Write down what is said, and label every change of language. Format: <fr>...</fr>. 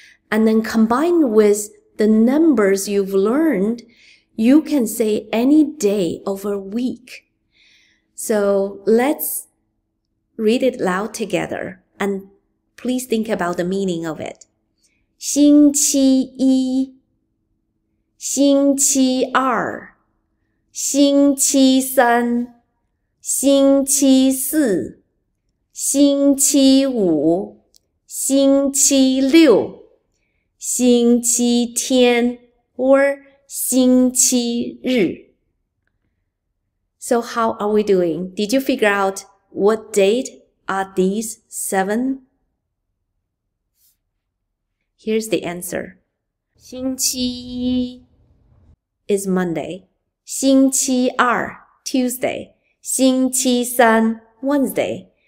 <en>And then combined with the numbers you've learned, you can say any day of a week. So let's read it loud together, and please think about the meaning of it.</en> <zh>星期一, 星期二, 星期三, 星期四, 星期五, 星期六, 星期天, or 星期日.</zh> <en>So how are we doing? Did you figure out what date are these 7? Here's the answer. 星期一 is Monday. 星期二, Tuesday. 星期三, Wednesday.</en>